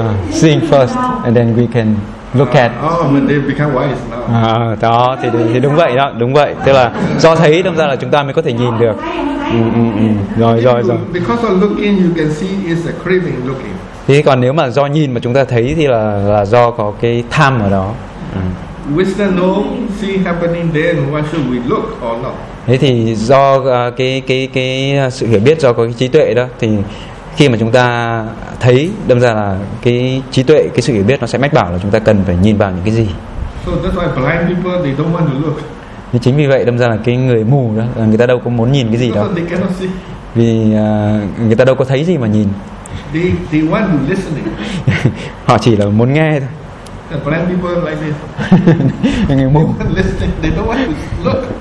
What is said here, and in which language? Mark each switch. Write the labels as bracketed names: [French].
[English] Seeing first, and then we can look at. Oh, they become wise now. [Vietnamese] Đó thì đúng vậy đó, đúng vậy. Tức là do thấy đâm ra là chúng ta mới có thể nhìn được. Rồi. [English] Because of looking, you can see is a craving looking. [Vietnamese] Thế còn nếu mà do nhìn mà chúng ta thấy thì là do có cái tham ở đó. [English] Wisdom know see happening then why should we look or not? [Vietnamese] Thế thì do cái sự hiểu biết, do có cái trí tuệ đó, thì khi mà chúng ta thấy đâm ra là cái trí tuệ, cái sự hiểu biết nó sẽ mách bảo là chúng ta cần phải nhìn vào những cái gì. [English] So that's why blind people they don't want to look. [Vietnamese] Thì chính vì vậy đâm ra là cái người mù đó, người ta đâu có muốn nhìn cái gì đó. [English] They cannot see. [Vietnamese] Vì người ta đâu có thấy gì mà nhìn. [English] They want to listening. [Vietnamese] Họ chỉ là muốn nghe thôi. [English] Blind people like this. [Vietnamese] Người mù. [English] Listening. They don't want to look.